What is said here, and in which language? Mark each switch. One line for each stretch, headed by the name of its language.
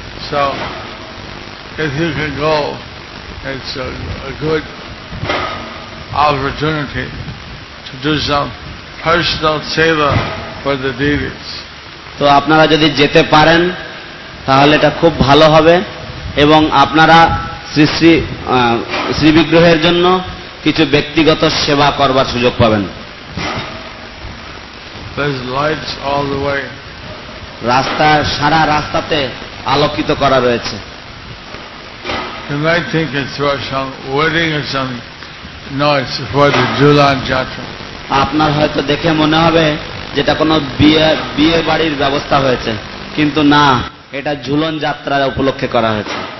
English: So if you can go, it's a good opportunity to do some personal seva for the devotees.
Bangla: তো আপনারা যদি যেতে পারেন তাহলে এটা খুব ভালো হবে এবং আপনারা শ্রী শ্রী শ্রী বিগ্রহের জন্য কিছু ব্যক্তিগত সেবা করবার সুযোগ পাবেন.
English: There's lights all the way.
Bangla: রাস্তা সারা রাস্তাতে আলোকিত করা রয়েছে.
English: You might think it's for some wedding or something. No, it's for the Julan Jatra.
Bangla: আপনার হয়তো দেখে মনে হবে যেটা কোনো বিয়ে বাড়ির ব্যবস্থা হয়েছে, কিন্তু না, এটা ঝুলন যাত্রা উপলক্ষে করা হয়েছে.